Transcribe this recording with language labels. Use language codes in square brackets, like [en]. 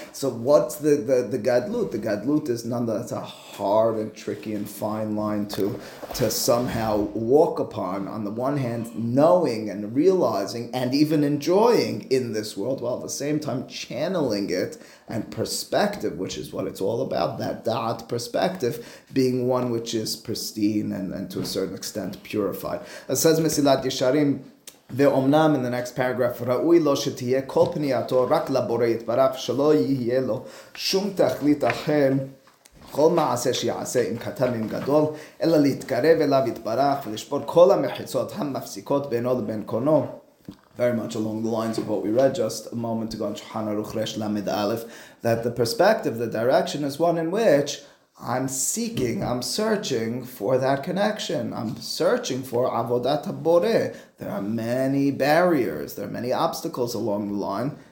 [en] So what's the gadlut? The gadlut is none that's a hard and tricky and fine line to somehow walk upon. On the one hand, knowing and realizing and even enjoying in this world, while at the same time channeling it and perspective, which is what it's all about, that da'at perspective, being one which is pristine and to a certain extent purified. It says Mesilat Yesharim, [he] ואומנם, [en] in the next paragraph, [he] ראוי לו שתהיה כל פנייתו רק לבורא יתברך, שלא יהיה לו שום תכלית אחר, כל מעשה שיעשה עם קטן עם גדול, אלא להתקרב אליו יתברך ולשבור כל המחיצות המפסיקות בינו לבין קונו. [en] Very much along the lines of what we read just a moment ago in Shulchan Aruch Resh Lamed Aleph, that the perspective, the direction is one in which I'm seeking, I'm searching for that connection. I'm searching for Avodat HaBoreh. There are many barriers, there are many obstacles along the line.